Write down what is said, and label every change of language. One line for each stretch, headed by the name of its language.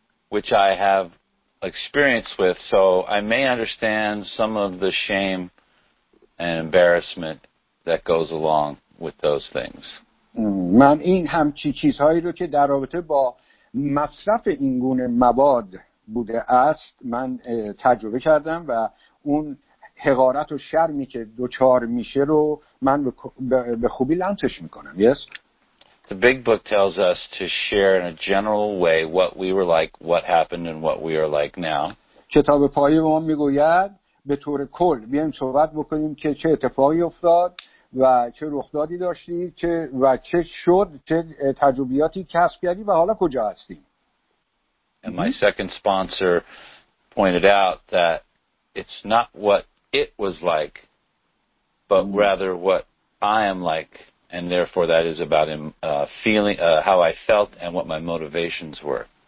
English: Which I have experience with, so I may understand some of the shame and embarrassment that goes along with those things.
Persian: من این همچی چیزهایی رو که در رابطه با مصرف این گونه مواد بوده است من تجربه کردم و اون حقارت و شرمی که دوچار میشه رو من به خوبی لمسش میکنم.
English: Yes. The big book tells us to share in a general way what we were like, what happened and what we are like now.
Persian: کتاب پایه به ما میگوید به طور کل بیایم صحبت بکنیم که چه اتفاقی افتاد و چه رخدادی داشتی و چه شد، چه تجربیاتی کسب کردی و حالا کجا هستیم.
English: And my second sponsor pointed out that it's not what it was like, but rather what I am like, and therefore that is about him feeling how I felt and what my motivations were.